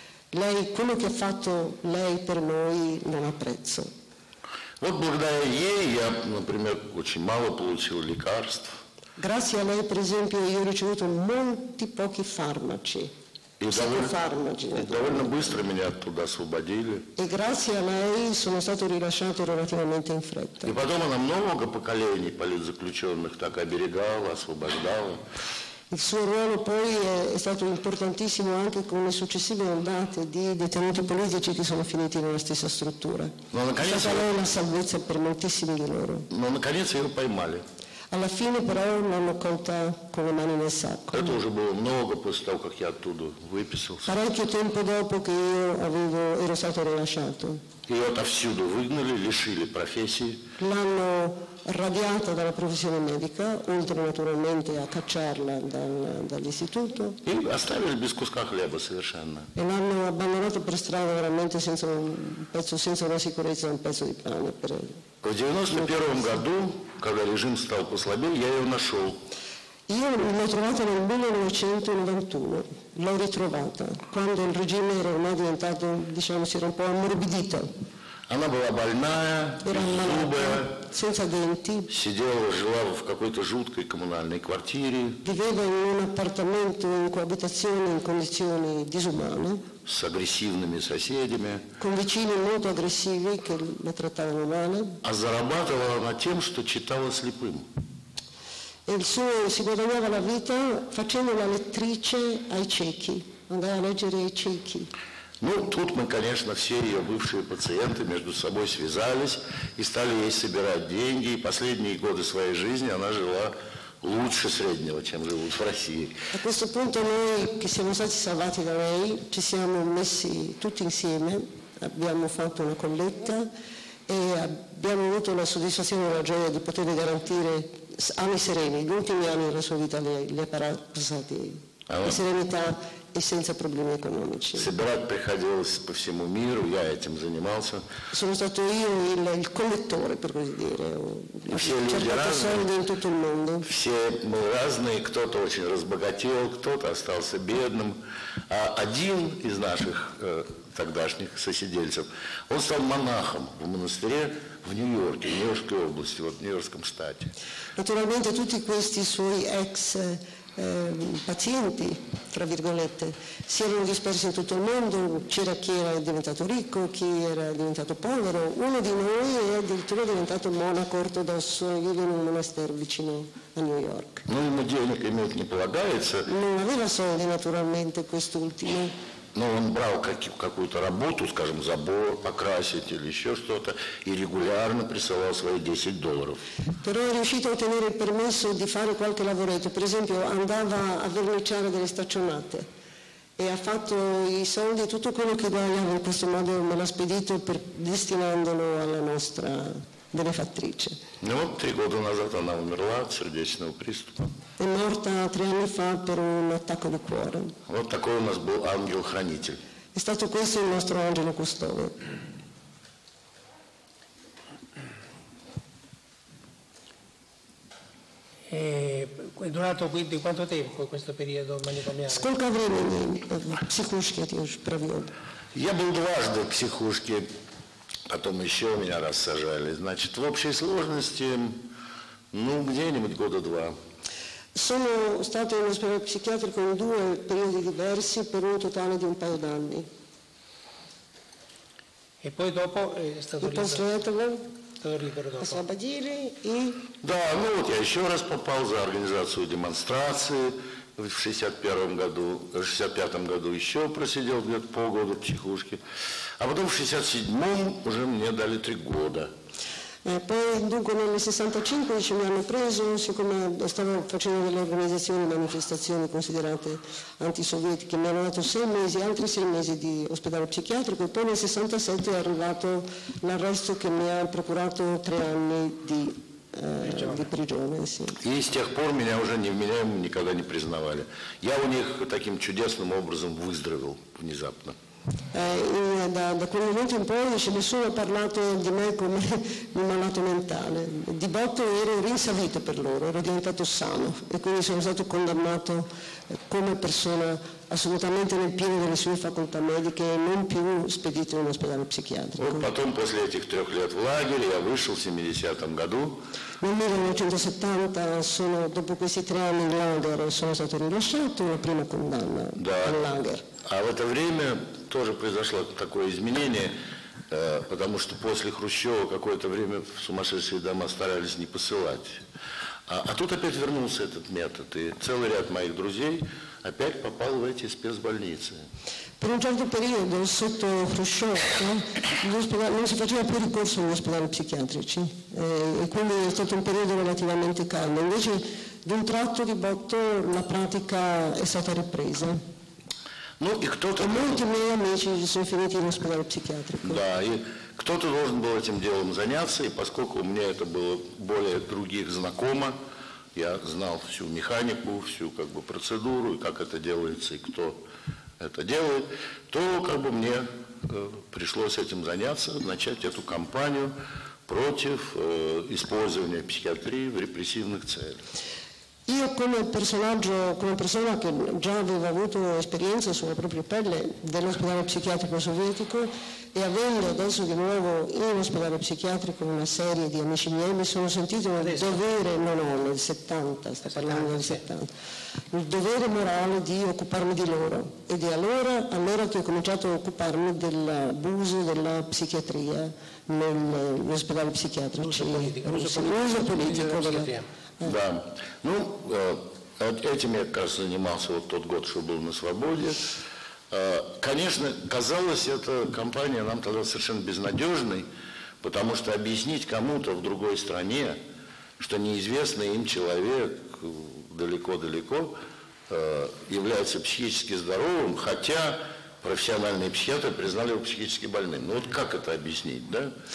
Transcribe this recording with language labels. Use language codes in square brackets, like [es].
[it] Lei, quello che ha fatto lei per noi, non ha prezzo. [ru] Вот благодаря ей я, например, очень мало получил лекарств. [it] Grazie a lei, per esempio, io ho ricevuto molti pochi farmaci. [ru] Довольно быстро меня оттуда освободили. [it] И grazie a lei sono stato rilasciato relativamente in fretta. [ru] И потом она много поколений политзаключенных так оберегала, освобождала. [it] Il suo ruolo poi è stato importantissimo anche con le successive ondate di detenuti politici che sono finiti nella stessa struttura. È stata una salvezza per moltissimi di loro. [ru] Но наконец ее поймали. [it] Alla fine però l'hanno colta con le mani nel sacco. [ru] Это уже было много после того, как я оттуда выписался. [it] Parecchio tempo dopo che io ero stato rilasciato. [ru] Ее отовсюду выгнали, лишили профессии. [it] L'hanno radiata dalla professione medica, oltre naturalmente a cacciarla dall'istituto. [ru] И оставили без куска хлеба совершенно. [it] E l'hanno abbandonato per strada veramente senza un pezzo, senza una sicurezza, un pezzo di pane per. [ru] В 1991 году, когда режим стал послабее, я ее нашел. [it] Io l'ho trovata nel 1991, l'ho ritrovata, quando il regime era ormai diventato, diciamo, si era un po' ammorbidito. [ru] Она была больная, беззубая, [it] senza denti, [ru] сидела, жила в какой-то жуткой коммунальной квартире. [it] Viveva in un appartamento in coabitazione in condizioni disumane. [ru] С агрессивными соседями. [it] Con vicini molto aggressivi che la trattavano male. [ru] А зарабатывала на тем, что читала слепым. [it] E il suo si guadagnava la vita facendo la lettrice ai ciechi, andava a leggere ai ciechi. [ru] Ну, тут мы, конечно, все ее бывшие пациенты между собой связались и стали ей собирать деньги. И последние годы своей жизни она жила лучше среднего, чем живут в России. [it] A questo punto noi, che siamo stati salvati da lei, ci siamo messi tutti insieme, abbiamo fatto una colletta e abbiamo avuto la soddisfazione e la gioia di poter garantire anni sereni, gli ultimi anni della sua vita li ha passati in serenità e senza problemi economici. [ru] Собирать приходилось по всему миру, я этим занимался. [it] Sono stato io il collettore, per così dire. [ru] Все люди разные, [it] in tutto il mondo. [ru] Все мы разные, кто-то очень разбогател, кто-то остался бедным. А один из наших тогдашних соседельцев, он стал монахом в монастыре в Нью-Йорке, в Нью-Йоркской области, вот в Нью-Йоркском штате. [it] Naturalmente tutti questi suoi ex pazienti, tra virgolette, si erano dispersi in tutto il mondo, c'era chi era diventato ricco, chi era diventato povero, uno di noi è addirittura diventato monaco ortodosso, vive in un monastero vicino a New York. Non aveva soldi naturalmente quest'ultimo. [ru] Но он брал какую-то работу, скажем, забор покрасить или еще что-то, и регулярно присылал свои 10 долларов. [it] Però è riuscito a ottenere il permesso di fare qualche lavoretto. Per esempio, andava a verniciare delle staccionate e ha fatto i soldi, tutto quello che guadagnava in questo modo me l'ha spedito per destinandolo alla nostra benefattrice. [ru] Ну, вот, 3 года назад она умерла от сердечного приступа. [it] È morta 3 anni fa per un attacco di cuore. [ru] Вот такой у нас был ангел-хранитель. [it] È stato questo il nostro angelo custode. È durato quindi quanto tempo questo periodo manicomiale? [ru] Сколько времени в психушке ты уже провел? Я был дважды в психушке, потом еще меня раз сажали. Значит, в общей сложности, ну, где-нибудь года 2. [it] Sono stato in ospedale psichiatrico in 2 periodi diversi per un totale di un paio d'anni. E poi dopo è stato libero. Dopo. [ru] Освободили и... Да, ну вот я еще раз попал за организацию демонстрации в 61 году, в 65 году еще просидел где-то полгода в психушке. А потом в 67 уже мне дали 3 года. [it] Poi dunque nel 65 ci mi hanno preso, siccome stavo facendo delle organizzazioni, manifestazioni considerate antisovietiche, mi hanno dato 6 mesi, altri 6 mesi di ospedale psichiatrico, e poi nel 67 è arrivato l'arresto che mi ha procurato 3 anni di prigione. [ru] E с тех пор меня уже не вменяемым никогда не признавали. Я у них таким чудесным образом выздоровел внезапно. [it] Da quel momento in poi ci nessuno ha parlato di me come un malato mentale. Di botto ero rinsavito per loro, ero diventato sano e quindi sono stato condannato come persona assolutamente nel pieno delle sue facoltà mediche e non più spedito in un ospedale psichiatrico. [ru] Вот потом, после этих 3 лет в лагере, я вышел в 70-м году. [it] Nel 1970, sono, dopo questi 3 anni in lager, sono stato rilasciato, la prima condanna al lager. [ru] А в это время тоже произошло такое изменение, потому что после Хрущева какое-то время в сумасшедшие дома старались не посылать. А тут опять вернулся этот метод, и целый ряд моих друзей опять попал в эти спецбольницы. [it] Per un certo periodo, sotto Khrushchev, non si faceva più ricorso agli ospedali psichiatrici, e quindi è stato un periodo relativamente caldo. Invece, d'un tratto di botto, la pratica è stata ripresa. [ru] Ну и кто-то... Многие мои [it] амичи сон финити в ospedale психиатрику. [ru] Да, и кто-то должен был этим делом заняться, и поскольку у меня это было более других знакомо, я знал всю механику, всю как бы процедуру, и как это делается, и кто это делает, то как бы мне пришлось этим заняться, начать эту кампанию против использования психиатрии в репрессивных целях. [it] Io come personaggio, come persona che già aveva avuto esperienza sulla propria pelle dell'ospedale psichiatrico sovietico e avendo adesso di nuovo in ospedale psichiatrico una serie di amici miei, mi sono sentito un dovere, non ho, nel 70, sta parlando del 70, il dovere morale di occuparmi di loro. Ed è allora che ho cominciato a occuparmi dell'abuso della psichiatria negli ospedali psichiatrici, l'uso politico. [ru] Да. Ну, этим я как раз занимался вот тот год, что был на свободе. Конечно, казалось, эта компания нам тогда совершенно безнадежной, потому что объяснить кому-то в другой стране, что неизвестный им человек далеко-далеко является психически здоровым, хотя профессиональные психиатры признали его психически больным. Ну вот как это объяснить, да?